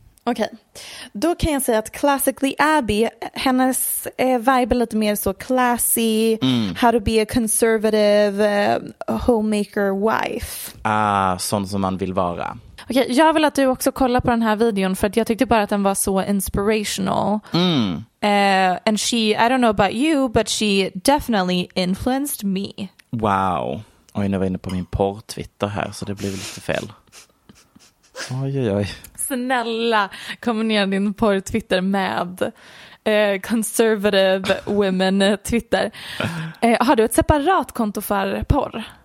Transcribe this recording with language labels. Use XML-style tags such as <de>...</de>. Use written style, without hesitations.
<sv>Okej, okay. Då kan jag säga att Classically Abby, hennes vibe är lite mer så classy,</sv> <en>how to be a conservative homemaker wife.</en> <sv>Ah, sån som man vill vara. Okej, okay, jag vill att du också kollar på den här videon för att jag tyckte bara att den var så inspirational.</sv> <en>And she, I don't know about you, but she definitely influenced me.</en> <sv>Wow, oj, nu var jag inne på min porr-twitter här så det blev lite fel. Oj, oj, oj. Snälla, kombinera din porr-twitter med conservative women-twitter. Har du ett separat konto för porr?</sv>